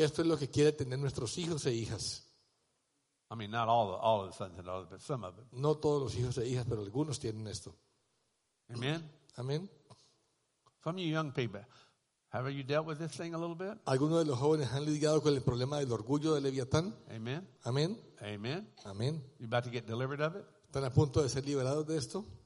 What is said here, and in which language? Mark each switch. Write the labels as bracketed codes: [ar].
[es] Esto es lo que quiere tener nuestros hijos e hijas. [en] I mean, not all the sons and daughters, but some of them. [es] No todos los hijos e hijas, pero algunos tienen esto. Amen. Amen. [en] Some of you young people, have you dealt with this thing a little bit? [es] ¿Algunos de los jóvenes han lidiado con el problema del orgullo del Leviatán? Amen. Amen. Amen. Amen. [en] You about to get delivered of it? [es] ¿Están a punto de ser liberados de esto?